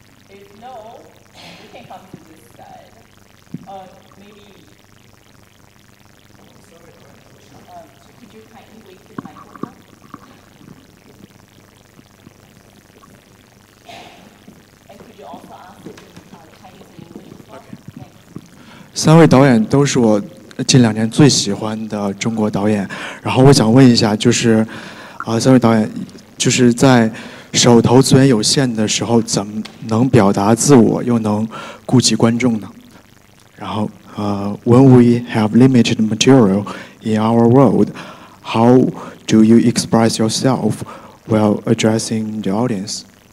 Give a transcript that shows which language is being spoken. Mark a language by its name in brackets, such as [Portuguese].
[English] If no, we can come to this side. Maybe. Could you kindly wait for my microphone? And could you also ask if you can kindly wait for my microphone? Okay. [Chinese] 三位导演都是我近两年最喜欢的中国导演，然后我想问一下，就是三位导演就是在手头资源有限的时候怎么能表达自我又能顾及观众呢？然后 [English] When we have limited material in our world, how do you express yourself while addressing the audience?